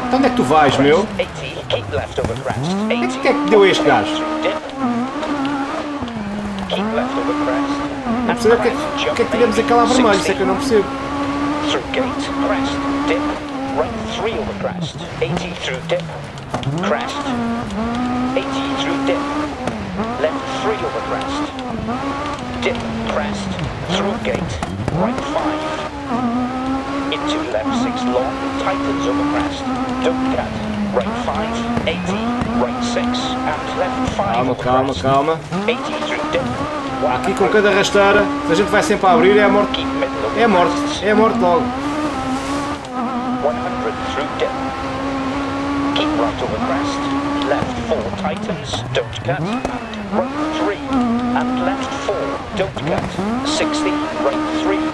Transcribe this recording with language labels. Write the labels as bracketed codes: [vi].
[pt] Então onde é que tu vais, meu? [en] 80. Keep left over crest. 80. [pt] O que é que deu este gajo? [en] Keep left over crest. [pt] Não percebo porque é que tivemos aquela vermelha, isso é que eu não percebo. [en] Through gate, crest, dip, right 3 over crest, 80 through dip, crest, 80 through dip, left 3 over crest, dip, crest, through gate, right 5, into left 6 long, tightens over crest, don't cut, right 5, 80, right 6, and left 5 [pt] calma, [en] over [pt] calma, [en] crest, [pt] calma. [en] 80 through dip. [pt] Aqui com cada arrastar, se a gente vai sempre a abrir, é a morte. É a morte. É a morte logo. [en] 100 through dip. Keep right over crest. Left 4 tightens. Don't cut. Right 3. And left 4. Don't cut. 60. Right 3.